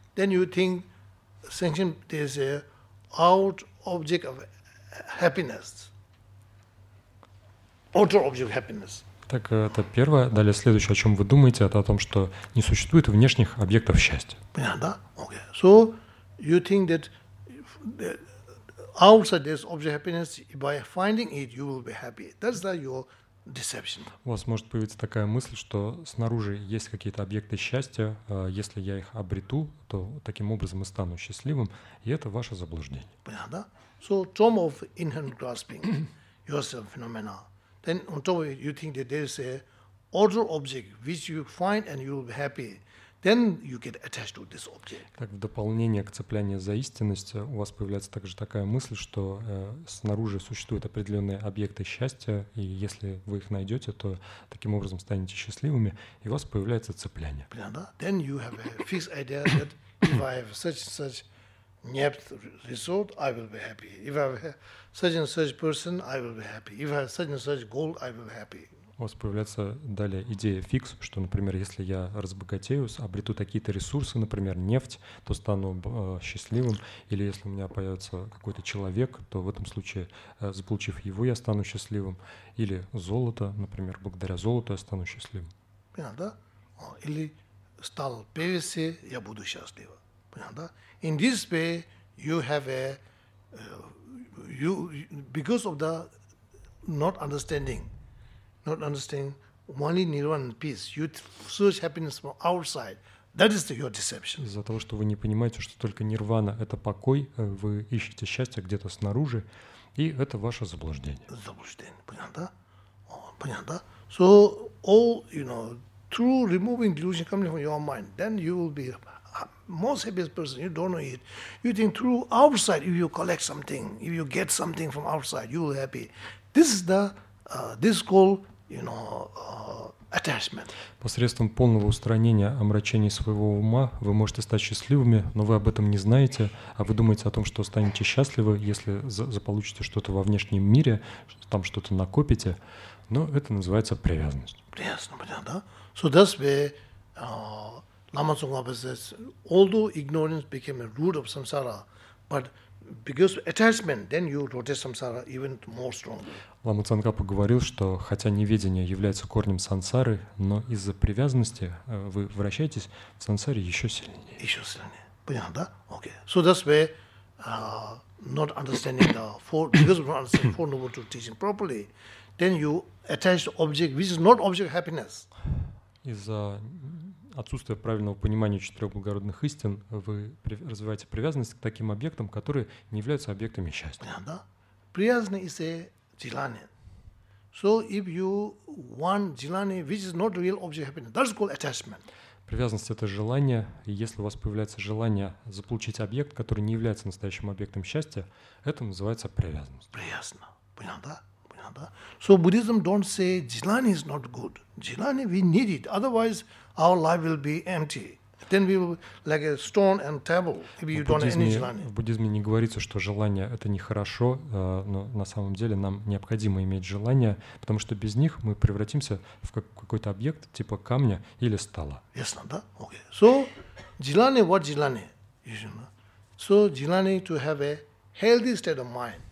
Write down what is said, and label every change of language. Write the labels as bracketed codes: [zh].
[en] Then you think sentient there's a out object of happiness. Outer object happiness. [ru] Так это первое. Далее следующее, о чем вы думаете, это о том, что не существует внешних объектов счастья. Понятно, да? Okay. [en] So you think that outside there's object happiness, by finding it, you will be happy. That's that your deception. [ru] У вас может появиться такая мысль, что снаружи есть какие-то объекты счастья. Если я их обрету, то таким образом и стану счастливым. И это ваше заблуждение. Понятно, да? [en] So term of inherent grasping yourself phenomena. Then on top of it, you think that there is a other object which you find and you will be happy. Then you get attached to this object. [ru] Так в дополнение к цеплянию за истинность у вас появляется также такая мысль, что снаружи существуют определенные объекты счастья, и если вы их найдете, то таким образом станете счастливыми, и у вас появляется цепляние. Понятно? [en] Then you have a fixed idea that if I have such and such nept result, I will be happy. If I have such and such person, I will be happy. If I have such and such gold, I will be happy. [ru] У вас появляется далее идея фикс, что, например, если я разбогатею, обрету такие-то ресурсы, например, нефть, то стану счастливым. Или если у меня появится какой-то человек, то в этом случае, заполучив его, я стану счастливым. Или золото, например, благодаря золоту я стану счастливым. Понятно, да? Или стал певицей, я буду счастлива. Понятно, да? [en] In this way, you have a, you, because of the not understanding, only nirvana and peace, you search happiness from outside. That is your deception. [ru] Из-за того, что вы не понимаете, что только нирвана — это покой, вы ищете счастье где-то снаружи, и это ваше заблуждение. Заблуждение, понятно? Понятно? [en] So, all, you know, through removing delusion coming from your mind, then you will be most happiest person, you don't know it. You think through outside, if you collect something, if you get something from outside, you will be happy. This is the, this is called, you know, attachment. [ru] Посредством полного устранения омрачений своего ума вы можете стать счастливыми, но вы об этом не знаете, а вы думаете о том, что станете счастливы, если заполучите что-то во внешнем мире, там что-то накопите, но это называется привязанность. Привязанность, понятно, да? [en] So that's where Lama Tsongkhapa says, although ignorance became a root of samsara, but because of attachment, then you rotate samsara even more strongly. [ru] Лама Цангапа говорил, что хотя неведение является корнем сансары, но из-за привязанности вы вращаетесь в сансаре еще сильнее. Еще сильнее. Понятно, да? Okay. [en] So that's why not understanding the four, because of not understanding four noble truth teaching properly, then you attach the object, which is not object of happiness. [ru] Из-за отсутствие правильного понимания четырех благородных истин, вы развиваете привязанность к таким объектам, которые не являются объектами счастья. Да, да. Привязанность [en] is a jilani. So if you want jilani, which is not real object happiness, that's called attachment. [ru] Привязанность — это желание. И если у вас появляется желание заполучить объект, который не является настоящим объектом счастья, это называется привязанность. Привязано. Понятно, да? Понятно, да? [en] So Buddhism don't say jilani is not good. Jilani, we need it. Otherwise, our life will be empty. Then we will like a stone and table if you don't have any jilani. [ru] В буддизме не говорится, что желание — это нехорошо, но на самом деле нам необходимо иметь желание, потому что без них мы превратимся в какой-то объект типа камня или стола. Ясно, да? [en] Okay. So, jilani, what jilani? So, jilani to have a healthy state of mind.